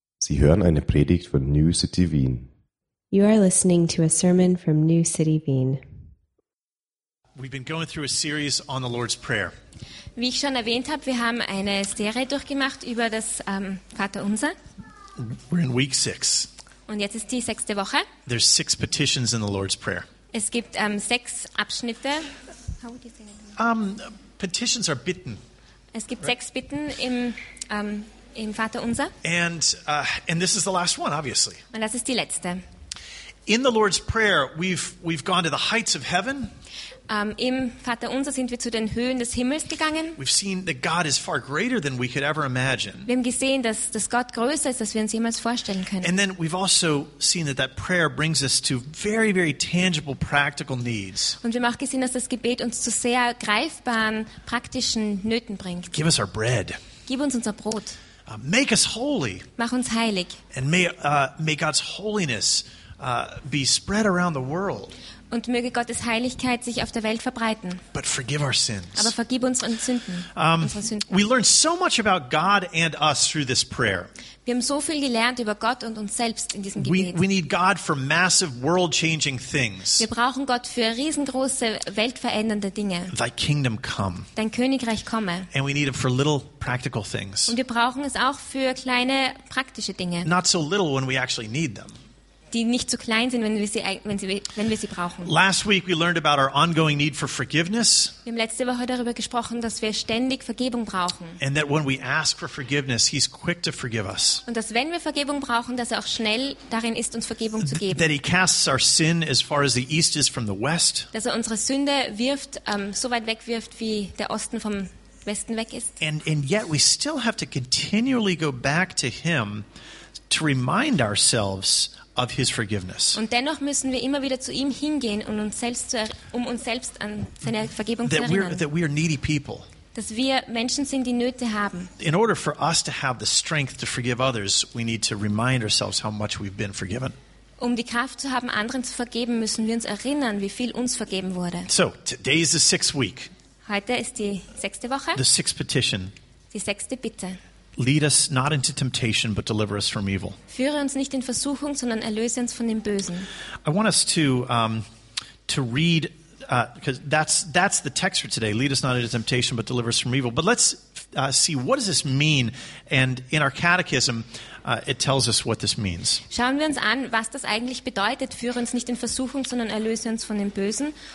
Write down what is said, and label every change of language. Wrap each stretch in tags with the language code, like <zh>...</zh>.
<de>Sie hören eine Predigt von New City Wien.</de> <en>You are listening to a sermon from New City Wien. We've been going through a series on the Lord's Prayer.</en> <de>Wie ich schon erwähnt habe, wir haben eine Serie durchgemacht über das Vaterunser.</de> <en>We're in week 6.</en> <de>Und jetzt ist die sechste Woche.</de> <en>There's 6 petitions in the Lord's Prayer.</en> <de>Es gibt 6 Abschnitte. How</de> <en>would you say that? Petitions are bitten.</en> <de>Es gibt 6 Bitten im im Vater unser.</de> <en>And this is the last one, obviously.</en> <de>Und das ist die letzte.</de> <en>In the Lord's Prayer, we've gone to the heights of heaven.</en> <de>Im Vater unser sind wir zu den Höhen des Himmels gegangen.</de> <en>We've seen that God is far greater than we could ever imagine.</en> <de>Wir haben gesehen, dass Gott größer ist, als wir uns jemals vorstellen können.</de> <en>And then we've also seen that prayer brings us to very, very tangible, practical needs.</en> <de>Und wir haben auch gesehen, dass das Gebet uns zu sehr greifbaren, praktischen Nöten bringt.</de> <en>Give us our bread.</en> <de>Gib uns unser Brot.</de> <en>Make us holy.</en> <de>Mach uns heilig.</de> <en>And may God's holiness be spread around the world.</en> <de>Und möge Gottes Heiligkeit sich auf der Welt verbreiten.</de> <en>But forgive our sins.</en> <de>Aber vergib uns unsere Sünden.</de> <en>We learn so much about God and us through this prayer.</en> <de>Wir haben so viel gelernt über Gott und uns selbst in diesem Gebet.</de> <en>We need God for massive world-changing things.</en> <de>Wir brauchen Gott für riesengroße weltverändernde Dinge.</de> <en>Thy kingdom come.</en> <de>Dein Königreich komme.</de> <en>And we need him for little practical things.</en> <de>Und wir brauchen es auch für kleine praktische Dinge.</de> <en>Not so little when we actually need them.</en> <de>Die nicht zu klein sind, wenn wir sie brauchen.</de> <en>Last week we learned about our ongoing need for forgiveness.</en> <de>Wir haben letzte Woche darüber gesprochen, dass wir ständig Vergebung brauchen.</de> <en>And that when we ask for forgiveness, he's quick to forgive us.</en> <de>Und dass wenn wir Vergebung brauchen, dass er auch schnell darin ist, uns Vergebung zu geben.</de> <en>That he casts our sin as far as the east is from the west.</en> <de>Dass er unsere Sünde wirft, so weit wegwirft, wie der Osten vom Westen weg ist.</de> <en>And yet we still have to continually go back to him to remind ourselves of his forgiveness.</en> <de>Und dennoch müssen wir immer wieder zu ihm hingehen und uns selbst an seine Vergebung zu erinnern.</de> <en>That we are needy people.</en> <de>Dass wir Menschen sind, die Nöte haben.</de> <en>In order for us to have the strength to forgive others, we need to remind ourselves how much we've been forgiven.</en> <de>Um die Kraft zu haben, anderen zu vergeben, müssen wir uns erinnern, wie viel uns vergeben wurde.</de> <en>So, today is the 6th week.</en> <de>Heute ist die 6. Woche.</de> <en>The 6th petition.</en> <de>Die 6. Bitte.</de> <en>Lead us not into temptation, but deliver us from evil.</en> <de>Führe uns nicht in Versuchung, sondern erlöse uns von dem Bösen.</de> <en>I want us to read, because that's the text for today. Lead us not into temptation, but deliver us from evil. But let's see, what does this mean? And in our catechism, it tells us what this means.</en> <de>Schauen wir uns an, was das eigentlich bedeutet. Führe uns nicht in Versuchung, sondern erlöse uns von dem Bösen.</de>